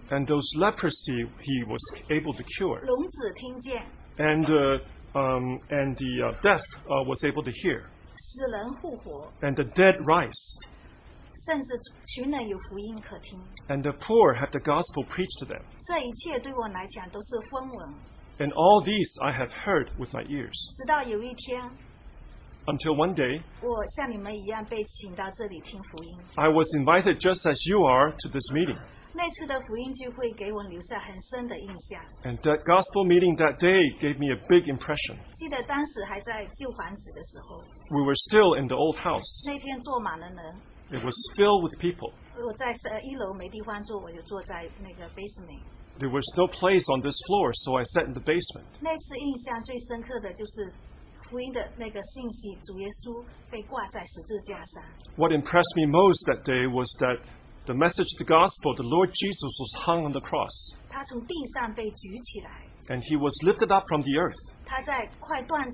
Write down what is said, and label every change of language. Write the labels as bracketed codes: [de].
[en] And those leprosy he was able to cure. [zh] 聋子听见。 [en] And the deaf was able to hear. [zh] 死人复活。 [en] And the dead rise. [zh] 甚至群人有福音可听。 [en] And the poor have the gospel preached to them. [zh] 这一切对我来讲都是风闻。 [en] And all these I have heard with my ears. [zh] 直到有一天。 [en] Until one day, [zh] 我像你们一样被请到这里听福音。 [en] I was invited just as you are to this meeting. [zh] 那次的福音聚会给我留下很深的印象。 [en] And that gospel meeting that day gave me a big impression. [zh] 记得当时还在旧房子的时候。 [en] We were still in the old house. [zh] 那天坐满了人。 [en] It was filled with people. [zh] 我在一楼没地方坐，我就坐在那个basement。 [en] There was no place on this floor, so I sat in the basement. [zh] 那次印象最深刻的就是。福音的那个信息，主耶稣被挂在十字架上。 [en] What impressed me most that day was that the message of the gospel, the Lord Jesus was hung on the cross. [zh] 他从地上被举起来。 [en] And he was lifted up from the earth.